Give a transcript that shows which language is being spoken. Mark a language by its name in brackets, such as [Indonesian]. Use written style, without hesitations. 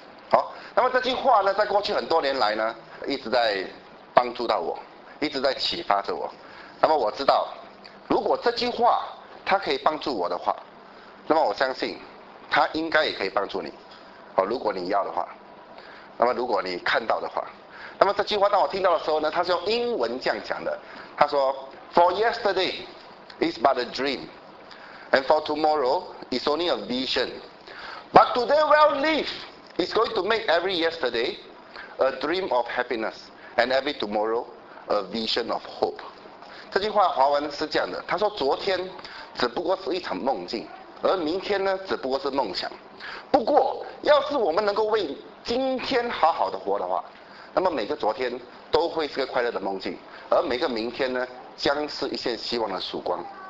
[Chinese] 好，那么这句话呢，在过去很多年来呢，一直在帮助到我，一直在启发着我。那么我知道，如果这句话它可以帮助我的话，那么我相信它应该也可以帮助你。好，如果你要的话，那么如果你看到的话，那么这句话当我听到的时候呢，它是用英文这样讲的。他说 [English] ：“For yesterday is but a dream, and for tomorrow is only a vision. But today we'll live.” It's going to make every yesterday a dream of happiness and every tomorrow a vision of hope. [Chinese] 这句话华文是这样的，他说昨天只不过是一场梦境，而明天呢只不过是梦想。不过要是我们能够为今天好好的活的话，那么每个昨天都会是个快乐的梦境，而每个明天呢将是一线希望的曙光。